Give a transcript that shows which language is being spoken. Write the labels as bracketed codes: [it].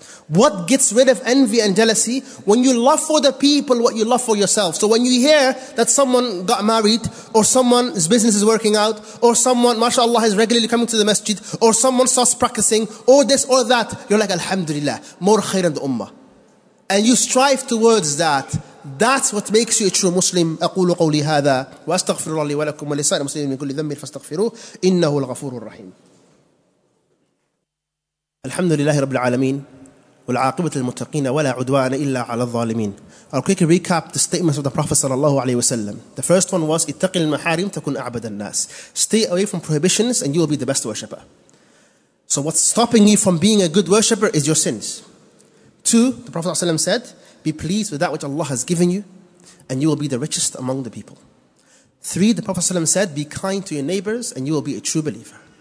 [en] What gets rid of envy and jealousy? When you love for the people what you love for yourself. So when you hear that someone got married, or someone's business is working out, or someone, mashallah, is regularly coming to the masjid, or someone starts practicing, or this or that, you're like, alhamdulillah, more khair than the ummah. And you strive towards that. That's what makes you a true Muslim. [ar] أقول قولي هذا وأستغفر الله لي ولكم ولسائر المسلمين من كل ذنب فاستغفروه إنه الغفور الرحيم. الحمد لله رب العالمين. والعاقبة للمتقين ولا عدوان إلا على الظالمين. [en] I'll quickly recap the statements of the Prophet sallallahu alaihi wasallam. The first one was [ar] اتق المحارم تكون أعبد الناس. [en] Stay away from prohibitions and you will be the best worshipper. So what's stopping you from being a good worshipper is your sins. Two, the Prophet sallallahu alaihi wasallam said, be pleased with that which Allah has given you, and you will be the richest among the people. Three, the Prophet sallallahu alaihi wasallam said, be kind to your neighbors and you will be a true believer.